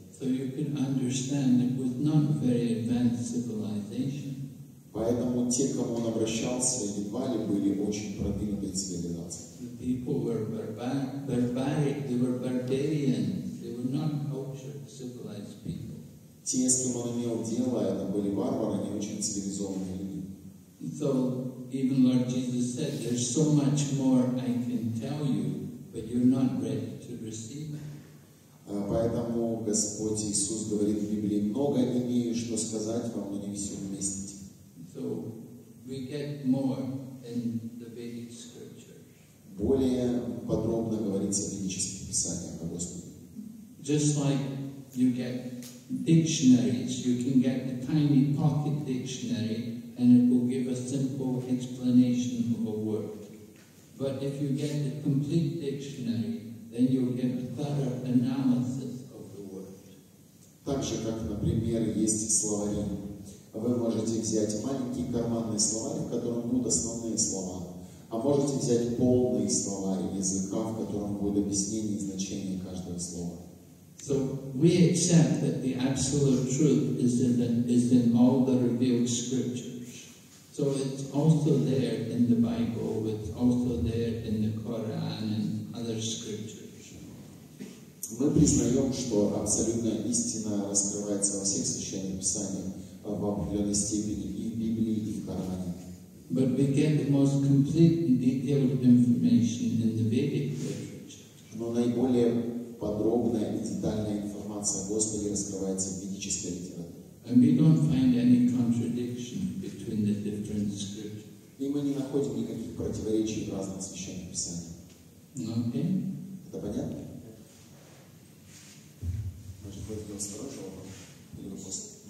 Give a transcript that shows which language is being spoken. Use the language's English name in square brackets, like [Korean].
[English] So you can understand it was not a very advanced civilization. [Russian] Поэтому те, к кому он обращался, едва ли были очень продвинутой цивилизацией. [English] The people were barbaric, they were barbarians, they were not cultured, civilized people. [Russian] Те, с кем он имел дело, это были варвары, не очень цивилизованные люди. [English] So even Lord Jesus said, "There's so much more I can tell you, but you're not ready to receive it." [Russian] Поэтому Господь Иисус говорит в Библии: много имею, что сказать вам, но не все вместе. [English] So we get more in the Vedic scriptures. [Russian] Более подробно говорится в ведических писаниях о Господе. [English] Just like you get dictionaries, you can get a tiny pocket dictionary. And it will give a simple explanation of a word. But if you get the complete dictionary, then you'll get a thorough analysis of the word. [Russian] Так же, как, например, есть словари. Вы можете взять маленький карманный словарь, в котором будут основные слова. А можете взять полный словарь языка, в котором будет объяснение значения каждого слова. [English] So we accept that the absolute truth is in all the revealed scriptures. So it's also there in the Bible, it's also there in the Quran and other scriptures. [Russian] Мы признаем, что абсолютная истина раскрывается во всех священных писаниях в определенной степени и в Библии, и в Коране. [English] But we get the most complete and detailed information in the Vedic literature. [Russian] Но наиболее подробная и детальная информация о Господе раскрывается в ведической литературе. [English] And we don't find any contradiction between the different scriptures. [Russian] И мы не находим никаких противоречий в разных священных писаниях. [English] Okay. [Russian] Это понятно? Может быть, вы осторожны или вы просто?